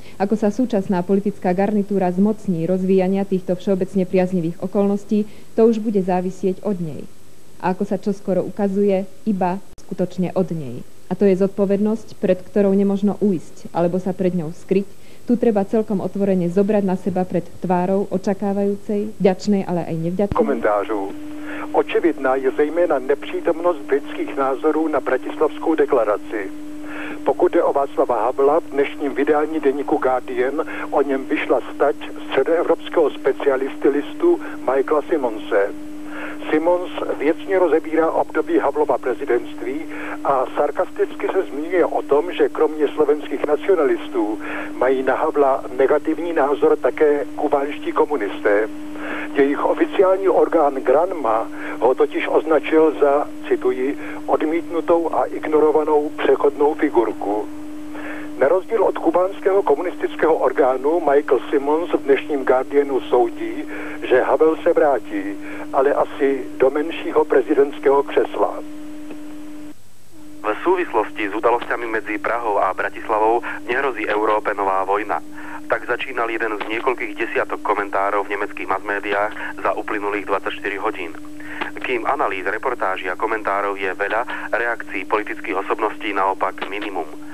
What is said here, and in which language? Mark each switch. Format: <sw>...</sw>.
<sk>Ako sa súčasná politická garnitúra zmocní rozvíjania týchto všeobecne priaznivých okolností, to už bude závisieť od nej. A ako sa čoskoro ukazuje, iba skutočne od nej. A to je zodpovednosť, pred ktorou nemožno uísť, alebo sa pred ňou skryť, Tu treba celkom otvorene zobrať na seba pred tvárou očakávajúcej, vďačnej, ale aj nevďačnej.</sk> <cs>Komentářu. Očividná je zejména nepřítomnosť britských názorů na bratislavskou deklaraci. Pokud jde o Václava Havla, v dnešním vydání deníku Guardian o něm vyšla stať středoevropského specialisty listu Michaela Simonse. Simons věcně rozebírá období Havlova prezidentství a sarkasticky se zmiňuje o tom, že kromě slovenských nacionalistů mají na Havla negativní názor také kubánští komunisté. Jejich oficiální orgán Granma ho totiž označil za, cituji, odmítnutou a ignorovanou přechodnou figurku. Na rozdíl od kubánského komunistického orgánu Michael Simons v dnešním Guardianu soudí, že Havel se vrátí, ale asi do menšího prezidentského křesla.</cs> <sk>V súvislosti s udalosťami medzi Prahou a Bratislavou nehrozí Európe nová vojna. Tak začínal jeden z niekoľkých desiatok komentárov v nemeckých masmédiách za uplynulých 24 hodín. Kým analýz, reportáží a komentárov je veľa, reakcií politických osobností naopak minimum.</sk>